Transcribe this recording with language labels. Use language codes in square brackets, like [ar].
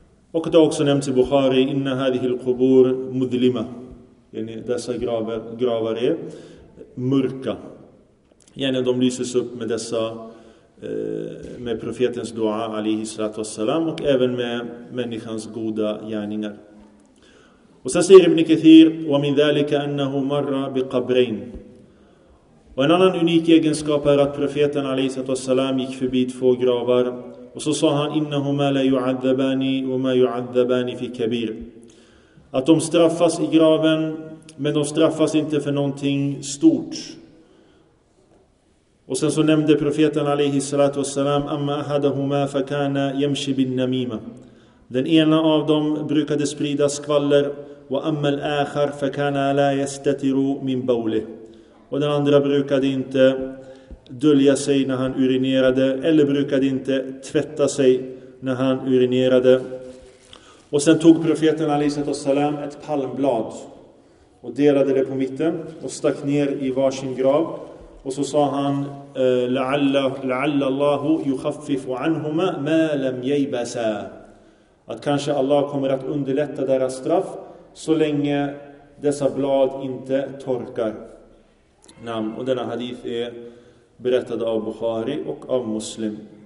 [sv] Och det har också nämnts i Bukhari, [ar] inna hadhihi al-qubur mudlima, [sv] yani dessa gravar är mörka, yani de lyses upp med dessa, med profetens dua [ar] alayhi salatu wassalam, [sv] och även med människans goda gärningar. Och sen säger Ibn Kathir, [ar] وَمِنْ ذَلِكَ أَنَّهُ مَرَّ بِقَبْرَيْنِ. [sv] Och en annan unik egenskap är att profeten a.s. gick förbi två gravar. Och så sa han, [ar] إِنَّهُمَا لَيُعَذَّبَانِ وَمَا يُعَذَّبَانِ فِي كَبِيرٍ. [sv] Att de straffas i graven, men de straffas inte för någonting stort. Och sen så nämnde profeten a.s. [ar] أَمَّا أَحَدَهُمَا فَكَانَ يَمْشِ بِالنَّمِيمَةِ. [sv] Den ena av dem brukade sprida skvaller, [ar] وَأَمَّا الْآخَرْ فَكَانَ لَا يَسْتَتِرُوا مِنْ بَوْلِهِ. [sv] Och den andra brukade inte dölja sig när han urinerade, eller brukade inte tvätta sig när han urinerade. Och sen tog profeten a.s. ett palmblad och delade det på mitten och stack ner i varsin grav. Och så sa han, [ar] لَعَلَّ اللَّهُ يُخَفِّفُ عَنْهُمَا مَا لَمْ يَيْبَسَا. [sv] Att kanske Allah kommer att underlätta deras straff så länge dessa blad inte torkar. Och denna hadith är berättad av Bukhari och av Muslim.